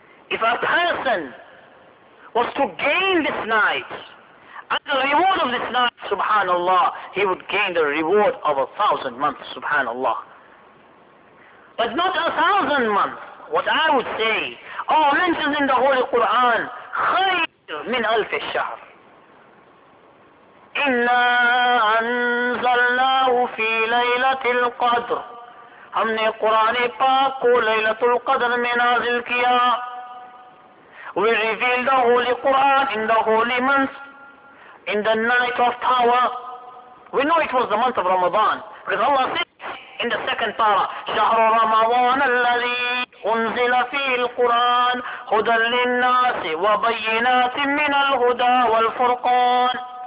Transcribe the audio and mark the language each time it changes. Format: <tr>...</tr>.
<en>If a person was to gain this night, and the reward of this night, subhanallah, he would gain the reward of 1,000 months, subhanallah. But not 1,000 months. What I would say, Allah mentions in the Holy Quran,</en> <ar>خير من ألف الشهر. إنا أنزلناه في ليلة القدر.</ar> <ur>ہم نے قرآن پاک کو ليلة القدر میں نازل کیا.</ur> <en>We reveal the Holy Quran in the holy month, in the night of power. We know it was the month of Ramadan, because Allah says in the second para,</en> <ar>شهر رمضان الذي أنزل فيه القرآن هدى للناس وبينات من الهدى والفرقان.</ar>